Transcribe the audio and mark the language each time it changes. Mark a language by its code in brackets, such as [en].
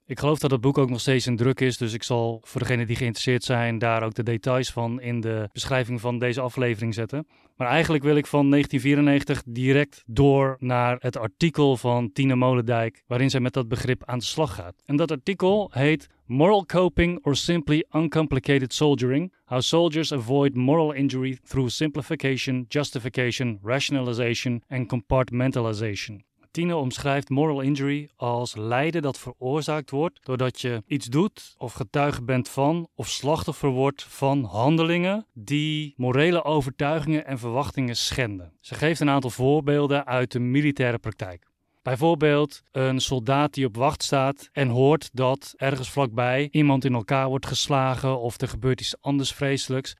[nl] Ik geloof dat het boek ook nog steeds in druk is, dus ik zal voor degenen die geïnteresseerd zijn daar ook de details van in de beschrijving van deze aflevering zetten. Maar eigenlijk wil ik van 1994 direct door naar het artikel van Tine Molendijk, waarin zij met dat begrip aan de slag gaat. En dat artikel heet [en] Moral coping or simply uncomplicated soldiering? How soldiers avoid moral injury through simplification, justification, rationalization and compartmentalization. [nl] Tine omschrijft moral injury als lijden dat veroorzaakt wordt doordat je iets doet of getuige bent van of slachtoffer wordt van handelingen die morele overtuigingen en verwachtingen schenden. Ze geeft een aantal voorbeelden uit de militaire praktijk. Bijvoorbeeld een soldaat die op wacht staat en hoort dat ergens vlakbij iemand in elkaar wordt geslagen of er gebeurt iets anders vreselijks.